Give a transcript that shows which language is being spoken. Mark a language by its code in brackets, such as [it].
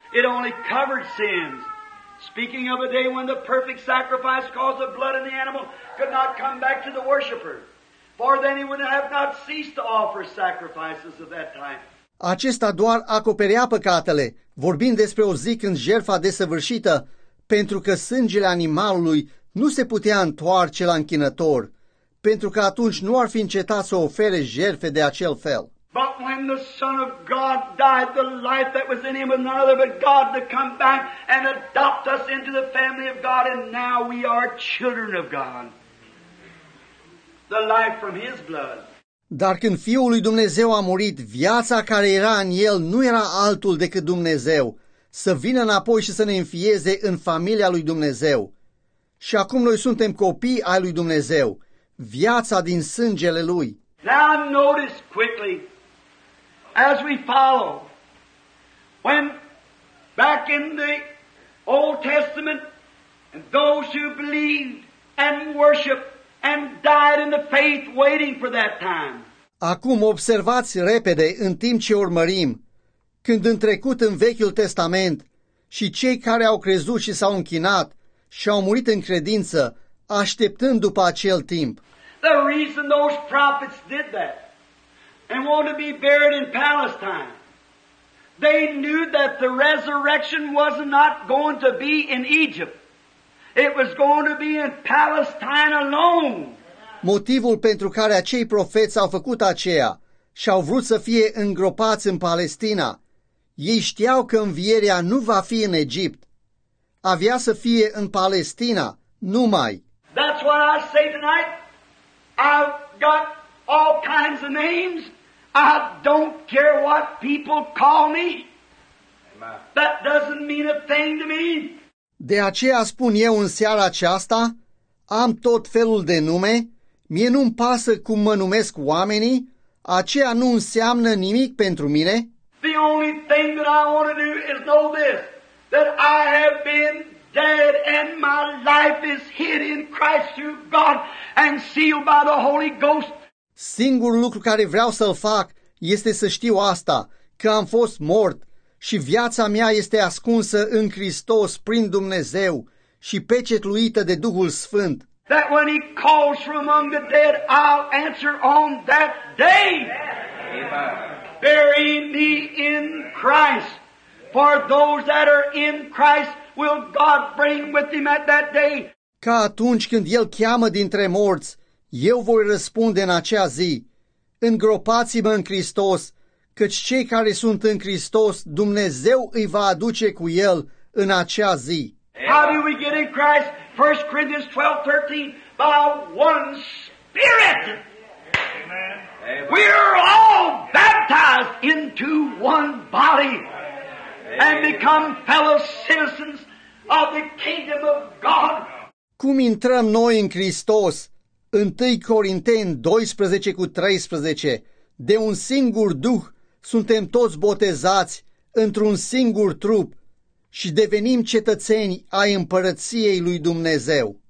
[en] It only covered sins. Speaking of a day when the perfect sacrifice caused the blood of the animal could not come back to the worshipper. For then he would have not ceased to offer sacrifices of that time. [ro] Acesta doar acoperea păcatele, vorbind despre o zi când jertfa desăvârșită, pentru că sângele animalului nu se putea întoarce la închinător, pentru că atunci nu ar fi încetat să ofere jertfe de acel fel. [en] But when the Son of God died, the life that was in him was none other but God to come back and adopt us into the family of God, and now we are children of God. The life from his blood. [ro] Dar când Fiul lui Dumnezeu a murit, viața care era în el nu era altul decât Dumnezeu, să vină înapoi și să ne înfieze în familia lui Dumnezeu. Și acum noi suntem copii ai lui Dumnezeu, viața din sângele lui. [en] Now notice quickly, as we follow, when back in the Old Testament, and those who believed and worshiped and died in the faith waiting for that time. [ro] Acum observați repede în timp ce urmărim, când în trecut în Vechiul Testament și cei care au crezut și s-au închinat și au murit în credință, așteptând după acel timp. [en] The reason those prophets did that and wanted to be buried in Palestine, they knew that the resurrection was not going to be in Egypt. It was going to be in Palestine alone. [ro] Motivul pentru care acei profeți au făcut aceea și au vrut să fie îngropați în Palestina, ei știau că învierea nu va fi în Egipt. Avea să fie în Palestina, numai. [en] That's what I say tonight. I've got all kinds of names. I don't care what people call me. That doesn't mean a thing to me. [ro] De aceea spun eu în seara aceasta, am tot felul de nume, mie nu-mi pasă cum mă numesc oamenii, aceea nu înseamnă nimic pentru mine. [en] The only thing that I want to do is know this, that I have been dead and my life is hid in Christ through God and sealed by the Holy Ghost. [ro] Singurul lucru care vreau să-l fac este să știu asta, că am fost mort. Și viața mea este ascunsă în Hristos prin Dumnezeu și pecetluită de Duhul Sfânt. [en] That when he calls from among the dead, I'll answer on that day. Bury me in Christ. For those that are in Christ will God bring with him at that day. [ro] Ca atunci când el cheamă dintre morți, eu voi răspunde în acea zi. Îngropați-mă în Hristos. Căci cei care sunt în Hristos, Dumnezeu îi va aduce cu el în acea zi. [en] How do we get in Christ? 1 Corinthians 12:13 by one spirit. Amen. We're all baptized into one body and become fellow citizens of the kingdom of God. [ro] Cum intrăm noi în Hristos? 1 Corinteni 12:13. De un singur Duh suntem toți botezați într-un singur trup și devenim cetățeni ai împărăției lui Dumnezeu.